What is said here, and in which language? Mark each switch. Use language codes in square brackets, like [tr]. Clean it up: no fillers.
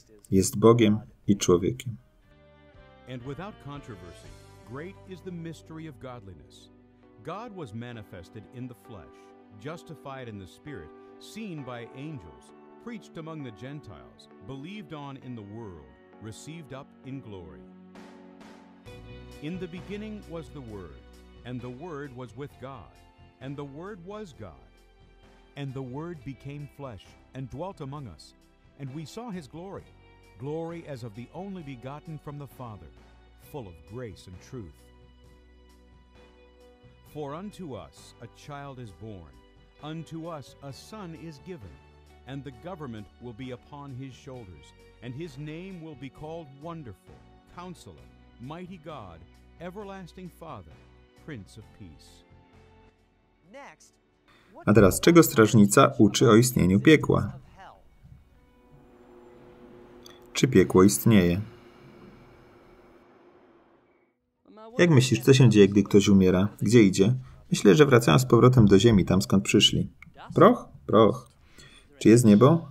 [pl] Jest Bogiem i człowiekiem. [en] And without controversy, great is the mystery of godliness. God was manifested in the flesh, justified in the spirit, seen by angels, preached among the Gentiles, believed on in the world, received up in glory. In the beginning was the Word, and the Word was with God, and the Word was God. And the Word became flesh and dwelt among us, and we saw his glory, glory as of the only begotten from the Father, full of grace and truth. For unto us a child is born, unto us a son is given, and the government will be upon his shoulders, and his name will be called Wonderful, Counselor, Mighty God, Everlasting Father, Prince of Peace. Next. [pl] A teraz, czego strażnica uczy o istnieniu piekła? Czy piekło istnieje? Jak myślisz, co się dzieje, gdy ktoś umiera? Gdzie idzie? Myślę, że wracają z powrotem do ziemi, tam skąd przyszli. Proch? Proch. Czy jest niebo?